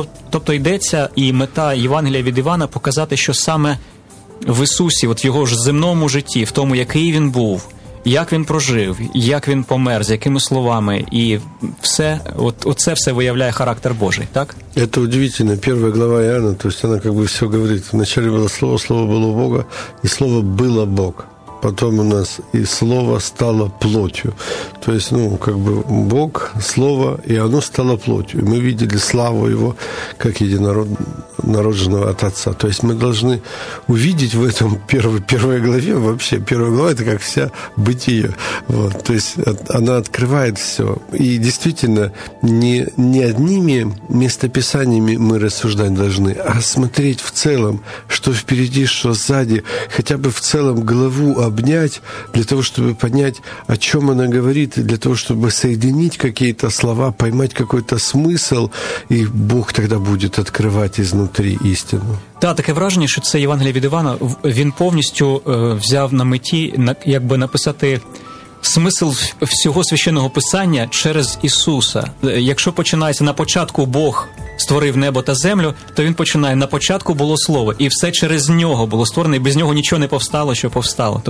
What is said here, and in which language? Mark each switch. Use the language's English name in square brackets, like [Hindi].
[Ukrainian] Тобто йдеться, і мета Євангелія від Івана показати, що саме в Ісусі, от в Його ж земному житті, в тому, який Він був, як він прожив, як він помер, з якими словами, і все, оце все виявляє характер Божий, так? [Russian] Это удивительно. Первая глава Иоанна, то есть она как бы все говорит. Вначале было слово, слово было у Бога, и слово было Бог. Потом у нас и слово стало плотью. То есть, ну, как бы Бог, слово, и оно стало плотью. И мы видели славу Его как единородного от Отца. То есть мы должны увидеть в этом первой главе вообще. Первая глава – это как вся бытие. Вот. То есть она открывает все. И действительно, не одними местописаниями мы рассуждать должны, а смотреть в целом, что впереди, что сзади. Хотя бы в целом главу обнять, для того, чтобы понять, о чем она говорит, и для того, чтобы соединить какие-то слова, поймать какой-то смысл, и Бог тогда будет открывать изнутри истину. [Ukrainian] Да, таке враження, що це Євангеліє від Івана, він повністю взяв на меті, якби написати смисл всього священного писання через Ісуса. Якщо починається на початку Бог створив небо та землю, то він починає: на початку було слово, і все через нього було створено, і без нього нічого не повстало, що повстало.